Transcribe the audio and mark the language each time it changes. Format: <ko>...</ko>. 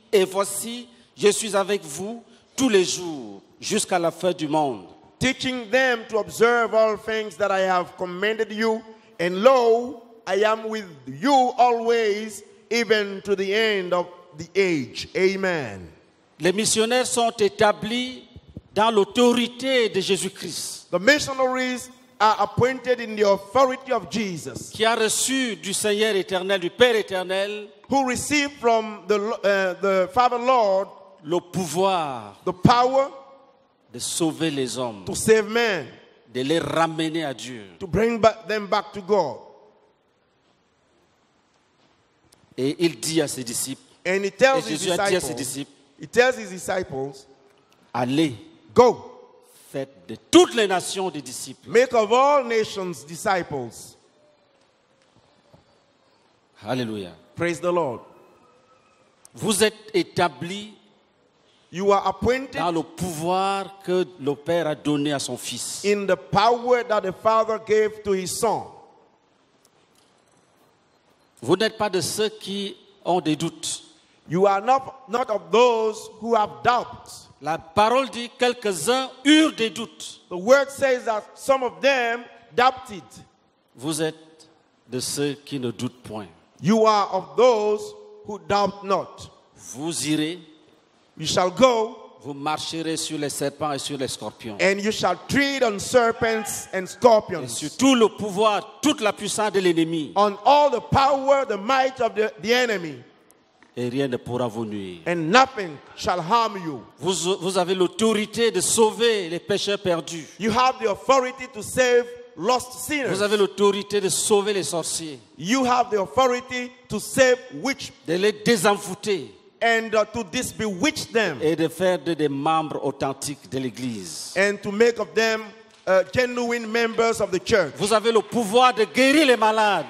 <fr>Voici, je suis avec vous tous les jours jusqu'à la fin du monde.</fr> <en>Teaching them to observe all things that I have commanded you, and lo, I am with you always. Even to the end of the age. Amen.</en> <fr>Les missionnaires sont établis dans l'autorité de Jésus-Christ.</fr> <en>The missionaries are appointed in the authority of Jesus.</en> <fr>Qui a reçu du Seigneur éternel, du Père éternel,</fr> <en>who received from the Father Lord</en> <fr>le pouvoir,</fr> <en>the power</en> <fr>de sauver les hommes,</fr> <en>to save men,</en> <fr>de les ramener à Dieu,</fr> <en>to bring back them back to God.</en> <fr>Et il dit à ses disciples.</fr> <en>And he tells</en> <fr>et Jésus</fr> <en>his</en> <fr>a dit à ses disciples.</fr> <en>He tells his disciples,</en> <fr>allez,</fr> <en>go,</en> <fr>faites de toutes les nations des disciples.</fr> <en>Make of all nations disciples.</en> <fr>Hallelujah.</fr> <en>Praise the Lord.</en> <fr>Vous êtes établi.</fr> <en>You are appointed.</en> <fr>Dans le pouvoir que le Père a donné à son Fils.</fr> <en>In the power that the Father gave to His Son.</en> <fr>Vous n'êtes pas de ceux qui ont des doutes.</fr> <en>You are not of those who have doubts.</en> <fr>La parole dit quelques-uns eurent des doutes.</fr> <en>The word says that some of them doubted.</en> <fr>Vous êtes de ceux qui ne doutent point.</fr> <en>You are of those who doubt not.</en> <fr>Vous irez.</fr> <en>You shall go.</en> <fr>Vous marcherez sur les serpents et sur les scorpions.</fr> <en>And you shall tread on serpents and scorpions.</en> <fr>Et sur tout le pouvoir, toute la puissance de l'ennemi.</fr> <en>On all the power, the might of the enemy.</en> <fr>Et rien ne pourra vous nuire.</fr> <en>And nothing shall harm you.</en> <fr>Vous avez l'autorité de sauver les pécheurs perdus.</fr> <en>You have the authority to save lost sinners.</en> <fr>Vous avez l'autorité de sauver les sorciers.</fr> <en>You have the authority to save witches.</en> <fr>De les désenfouter.</fr> <en>And to disbewitch them.</en> <fr>Et de faire de des membres authentiques de l'église.</fr> <en>And to make of them genuine members of the church.</en> <fr>Vous avez le pouvoir de guérir les malades.</fr>